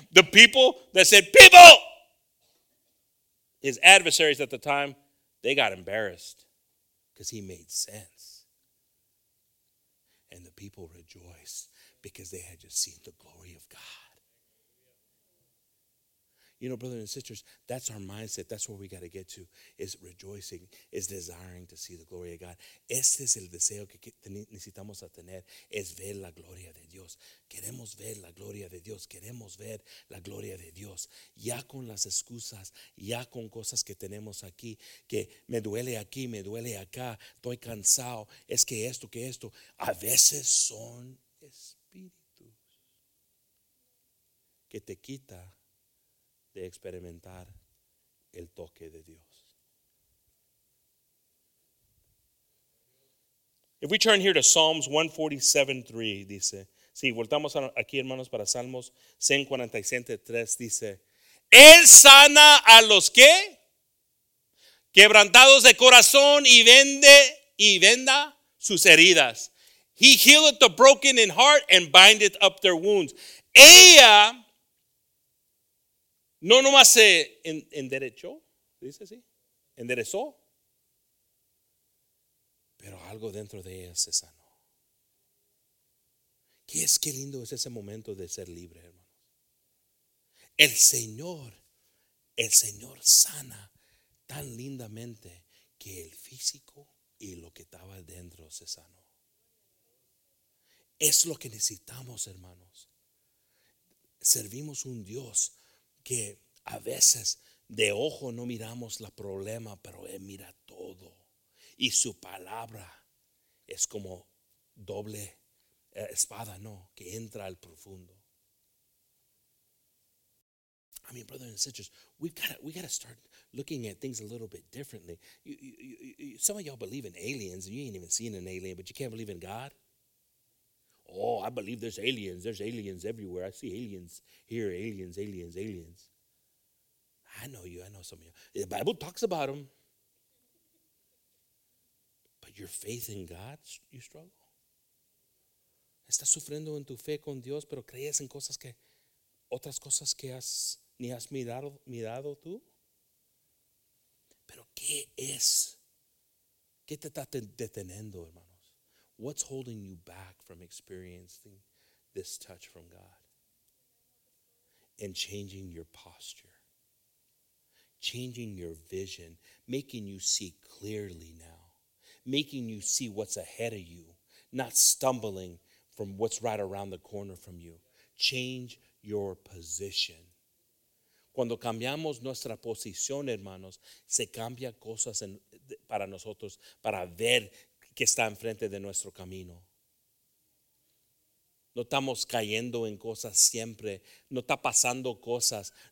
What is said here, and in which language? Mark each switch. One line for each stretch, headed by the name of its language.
English: The people that said, people, his adversaries at the time, they got embarrassed because he made sense. And the people rejoiced because they had just seen the glory of God. You know, brothers and sisters, that's our mindset. That's where we got to get to, is rejoicing, is desiring to see the glory of God.
Spanish: Este es el deseo que necesitamos a tener, es ver la gloria de Dios. Queremos ver la gloria de Dios. Queremos ver la gloria de Dios. Ya con las excusas, ya con cosas que tenemos aquí, que me duele aquí, me duele acá, estoy cansado, es que esto, que esto. A veces son espíritus que te quita de experimentar el toque de Dios.
English: If we turn here to Psalms 147:3,
Spanish: dice, si voltamos aquí, hermanos, para Salmos 147:3, dice, Él sana a los que quebrantados de corazón y vende y venda sus heridas.
English: He healeth the broken in heart and bindeth up their wounds.
Spanish: Ella no nomás se enderechó, dice así, enderezó, pero algo dentro de ella se sanó. ¿Qué es, qué lindo es ese momento de ser libre, hermano? El Señor sana tan lindamente que el físico y lo que estaba dentro se sanó. Es lo que necesitamos, hermanos. Servimos un Dios que a veces de ojo no miramos el problema, pero Él mira todo. Y su palabra es como doble espada, no, que entra al profundo.
English: I mean, brothers and sisters, we gotta start looking at things a little bit differently. Some of y'all believe in aliens, and you ain't even seen an alien, but you can't believe in God. Oh, I believe there's aliens. There's aliens everywhere. I see aliens here, aliens, aliens, aliens. I know you. I know some of you. The Bible talks about them. But your faith in God, you struggle.
Spanish: Estás sufriendo en tu fe con Dios, pero crees en cosas que, otras cosas que has, ni has mirado tú. Pero ¿qué es? ¿Qué te está deteniendo, hermanos?
English: What's holding you back from experiencing this touch from God? And changing your posture. Changing your vision, making you see clearly now, making you see what's ahead of you, not stumbling from what's right around the corner from you. Change your position.
Spanish: Cuando cambiamos nuestra posición, hermanos, se cambia cosas para nosotros, para ver que está enfrente de nuestro camino. No estamos cayendo en cosas siempre. No está pasando cosas.